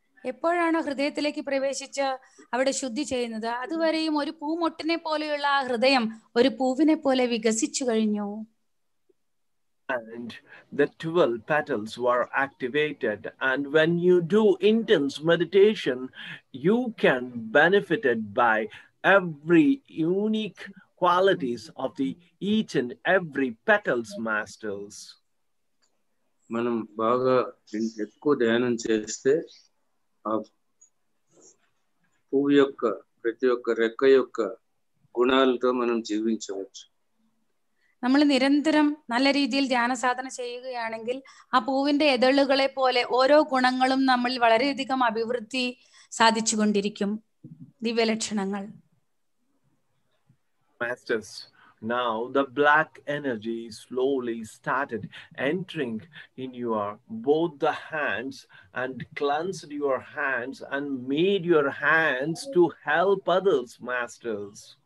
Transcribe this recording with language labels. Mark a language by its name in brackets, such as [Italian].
[Malayalam] എപ്പോഴാണ് ഹൃദയത്തിലേക്ക് പ്രവേശിച്ച് അവിടെ ശുദ്ധി ചെയ്യുന്നത് അതുവരെയും ഒരു പൂമൊട്ടിനെ പോലെയുള്ള ആ ഹൃദയം ഒരു പൂവിനെ പോലെ വികസിച്ചു കഴിഞ്ഞു [English] and the 12 petals were activated and when you do intense meditation you can benefited by every unique qualities of the each and every petals masters [Telugu] మనం బాగా ఎక్కువ ధ్యానం చేస్తే పువ్వు యొక్క ప్రతి ఒక్క రెక్క యొక్క గుణాలతో మనం జీవించవచ్చు [Malayalam] നമ്മൾ നിരന്തരം നല്ല രീതിയിൽ ധ്യാന സാധന ചെയ്യുകയാണെങ്കിൽ ആ പൂവിന്റെ എതളുകളെ പോലെ ഓരോ ഗുണങ്ങളും നമ്മൾ വളരെയധികം അഭിവൃദ്ധി സാധിച്ചുകൊണ്ടിരിക്കും ദിവ്യലക്ഷണങ്ങൾ [English] masters now the black energy slowly started entering in your both the hands and cleansed your hands and made your hands to help others masters